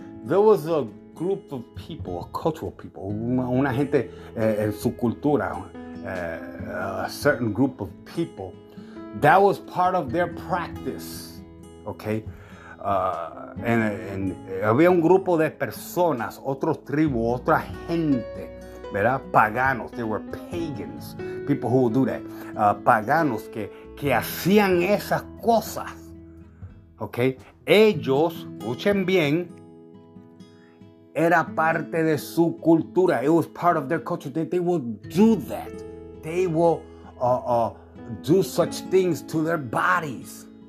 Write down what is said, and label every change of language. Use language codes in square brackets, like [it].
[en] There was a group of people, a cultural people, [es] una gente en su cultura, [en] a certain group of people, that was part of their practice, okay? [es] And había un grupo de personas, otros tribus, otra gente, ¿verdad? Paganos, [en] they were pagans, people who would do that, [es] paganos que hacían esas cosas, [en] okay? [es] Ellos, escuchen bien, era parte de su cultura. [en] It was part of their culture. They will do that. They will do such things to their bodies.